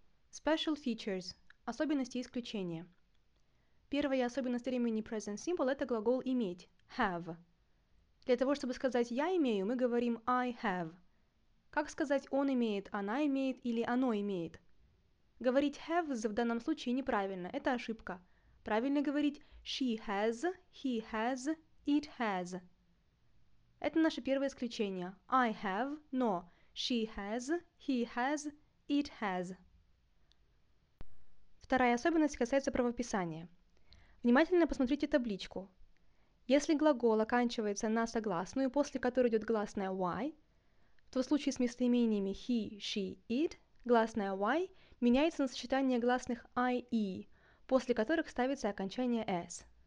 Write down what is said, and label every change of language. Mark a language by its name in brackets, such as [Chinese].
[English] Special features [Russian] – особенности и исключения. Первая особенность времени present simple – это глагол «иметь» – have. Для того, чтобы сказать «я имею», мы говорим [English] «I have». [Russian] Как сказать «он имеет», «она имеет» или «оно имеет»? Говорить «have» в данном случае неправильно, это ошибка. Правильно говорить [English] «she has», «he has», «it has». [Russian] Это наше первое исключение. [English] I have, [Russian] но [English] she has, he has, it has. [Russian] Вторая особенность касается правописания. Внимательно посмотрите табличку. Если глагол оканчивается на согласную, после которой идет гласная y, то в случае с местоимениями [English] he, she, it, [Russian] гласная y меняется на сочетание гласных I, e, после которых ставится окончание s.